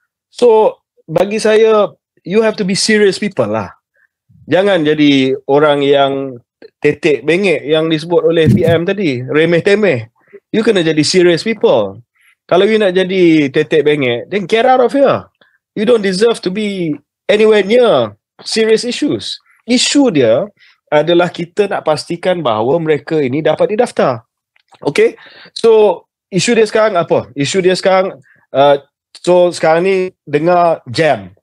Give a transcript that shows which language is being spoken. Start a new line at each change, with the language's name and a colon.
English: So
Malay: bagi saya,
English: you have to be serious people lah.
Malay: Jangan jadi orang yang tetek bengek yang disebut oleh PM tadi, remeh temeh.
English: You
Malay: kena jadi
English: serious people.
Malay: Kalau you nak jadi tetek bengek,
English: then get out of here. You don't deserve to be anywhere near serious issues.
Malay: Isu dia adalah kita nak pastikan bahawa mereka ini dapat didaftar. Okay? So, isu dia sekarang apa? Isu dia sekarang, sekarang ni dengar jam.